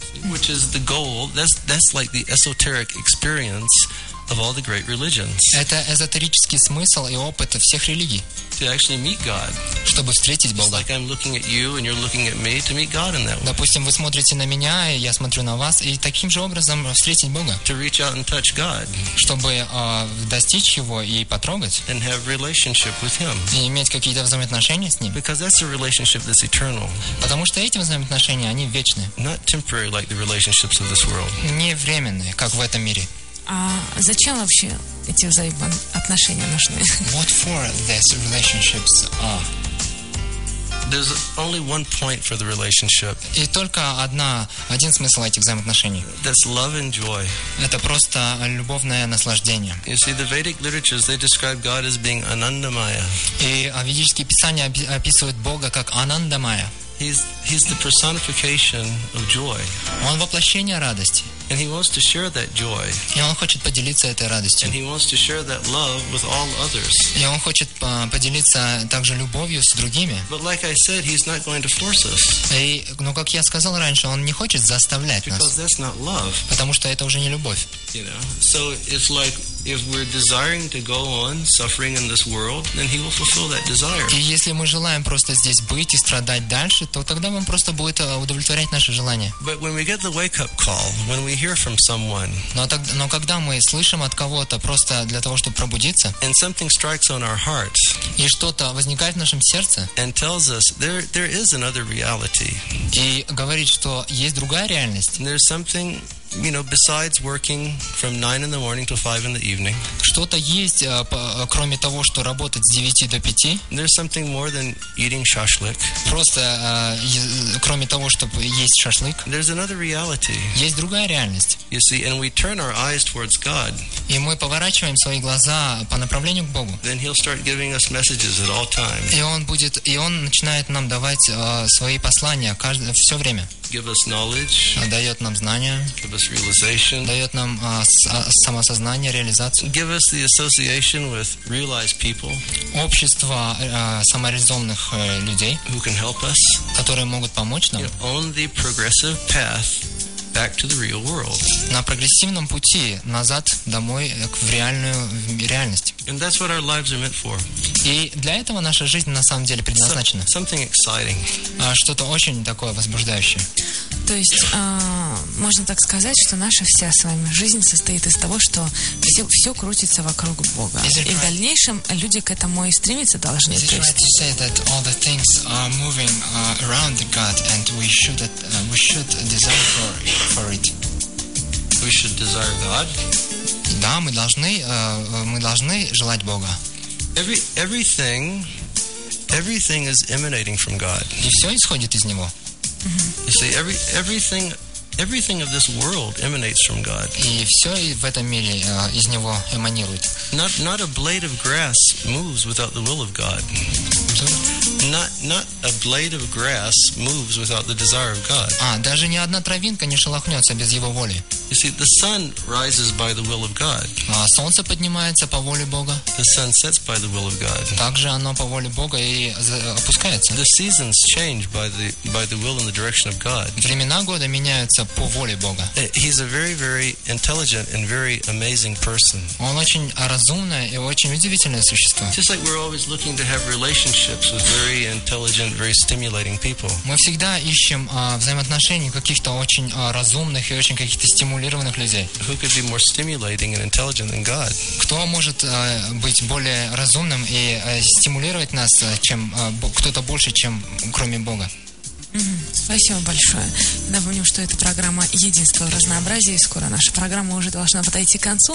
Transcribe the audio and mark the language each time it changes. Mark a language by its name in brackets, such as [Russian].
[English] Which is the goal? That's like the esoteric experience of all the great religions. [Russian] Это эзотерический смысл и опыт всех религий. [English] To actually meet God. [Russian] Чтобы встретить Бога. [English] Like I'm looking at you and you're looking at me to meet God in that way. [Russian] Допустим, вы смотрите на меня, и я смотрю на вас, и таким же образом встретить Бога. [English] To reach out and touch God. [Russian] Чтобы достичь его и потрогать. [English] And have relationship with him. [Russian] И иметь какие-то взаимоотношения с ним. [English] Because that's a relationship that's eternal. [Russian] Потому что эти взаимоотношения, они вечны. [English] Not temporary like the relationships of this world. [Russian] Не временные, как в этом мире. А зачем вообще эти взаимоотношения нужны? [English] What for these relationships are? There's only one point for the relationship. [Russian] И только один смысл этих взаимоотношений. [English] That's love and joy. [Russian] Это просто любовное наслаждение. [English] You see, the Vedic literatures, they describe God as being Anandamaya. [Russian] И ведические писания описывают Бога как Анандамая. [English] He's the personification of joy. [Russian] Он воплощение радости. [English] And he wants to share that joy. [Russian] И он хочет поделиться этой радостью. [English] And he wants to share that love with all others. [Russian] И он хочет поделиться также любовью с другими. [English] But like I said, he's not going to force us. [Russian] Но как я сказал раньше, он не хочет заставлять нас. [English] Because that's not love. [Russian] Потому что это уже не любовь. [English] You know? So it's like if we're desiring to go on suffering in this world, then he will fulfill that desire. [Russian] И если мы желаем просто здесь быть и страдать дальше, то тогда он просто будет удовлетворять наши желания. [English] But when we get the wake-up call, when we hear from someone. [Russian] Но когда мы слышим от кого-то просто для того, чтобы пробудиться. [English] And something strikes on our hearts. [Russian] И что-то возникает в нашем сердце. [English] And tells us there is another reality. [Russian] И говорит, что есть другая реальность. [English] There's something, you know, besides working from 9 in the morning to 5 in the evening. [Russian] Что-то есть кроме того, что работать с 9 до 5. [English] There's something more than eating shashlik. [Russian] Просто кроме того, чтобы есть шашлык. [English] There's another reality. [Russian] Есть другая реальность. [English] You see, and we turn our eyes towards God. [Russian] И мы поворачиваем свои глаза по направлению к Богу. [English] Then he'll start giving us messages at all times. [Russian] И он начинает нам давать свои послания все время. [English] Give us knowledge. [Russian] Дает нам знания. [English] Give us realization. [Russian] Дает нам самосознание, реализацию. [English] Give us the association with realized people. [Russian] Общество самореализованных людей. [English] Who can help us? [Russian] Которые могут помочь нам. [English] On the progressive path back to the real world. [Russian] На прогрессивном пути назад домой в реальную реальность. [English] And that's what our lives are meant for. [Russian] И для этого наша жизнь на самом деле предназначена. [English] Something exciting. [Russian] Что-то очень такое возбуждающее. То есть можно так сказать, что наша вся с вами жизнь состоит из того, что все крутится вокруг Бога. И в дальнейшем люди к этому и стремиться должны. [English] Is it right to say that all the things are moving around God and we should desire for it? We should desire God? [Russian] Да, мы должны желать Бога. [English] Everything is emanating from God. [Russian] И все исходит из него. [English] You see, everything of this world emanates from God. [Russian] И все в этом мире из него эманирует. [English] Not a blade of grass moves without the will of God. Not a blade of grass moves without the desire of God. [Russian] Даже ни одна травинка не шелохнется без его воли. [English] You see, the sun rises by the will of God. [Russian] Солнце поднимается по воле Бога. [English] The sun sets by the will of God. [Russian] Также оно по воле Бога и опускается. [English] The seasons change by the will and the direction of God. [Russian] Времена года меняются по воле Бога. [English] He's a very, very intelligent and very amazing person. [Russian] Он очень разумное и очень удивительное существо. [English] Just like we're always looking to have relationships with very intelligent, very stimulating people. [Russian] Мы всегда ищем взаимоотношений каких-то очень разумных и очень каких-то стимулированных людей. [English] Who could be more stimulating and intelligent than God? [Russian] Кто может быть более разумным и стимулировать нас, чем кто-то больше, чем кроме Бога? Спасибо большое. Напомним, что это программа «Единство в разнообразии». Скоро наша программа уже должна подойти к концу.